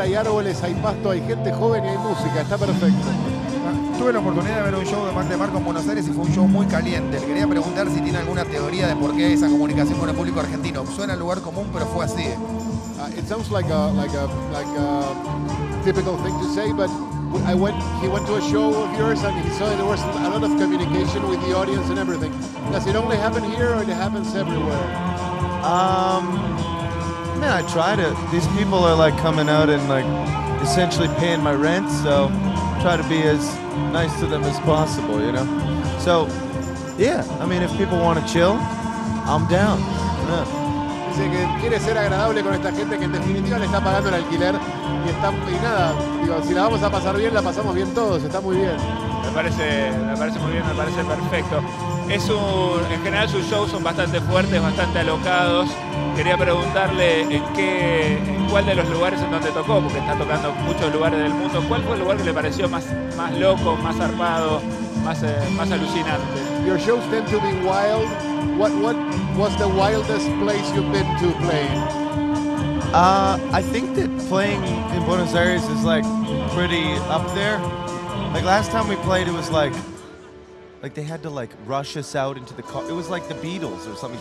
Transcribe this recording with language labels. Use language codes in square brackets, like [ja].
[es] Hay árboles, hay pasto, hay gente joven y hay música. Está perfecto. Tuve la oportunidad de ver un show de Mac DeMarco en Buenos Aires y fue un show muy caliente. Le quería preguntar si tiene alguna teoría de por qué esa comunicación con el público argentino. Suena lugar común, pero fue así. [en] It sounds like a typical thing to say, but he went to a show of yours and he saw that there was a lot of communication with the audience and everything. Does it only happen here or it happens everywhere? Man, I tried it. These people are like coming out and like essentially paying my rent, so try to be as nice to them as possible, you know? So, yeah, I mean, if people want to chill, I'm down. Yeah. [es] Dice que quiere ser agradable con esta gente que en definitiva le está pagando el alquiler y está, y nada, digo, si la vamos a pasar bien, la pasamos bien todos, está muy bien. Me parece muy bien, me parece perfecto. En general sus shows son bastante fuertes, bastante alocados. Quería preguntarle en cuál de los lugares en donde tocó, porque está tocando muchos lugares del mundo, ¿cuál fue el lugar que le pareció más loco, más zarpado, más alucinante? [en] Your shows tend to be wild. What was the wildest place you've been to play? I think that playing in Buenos Aires is like pretty up there. Like last time we played, it was like they had to like rush us out into the car. It was like the Beatles or something.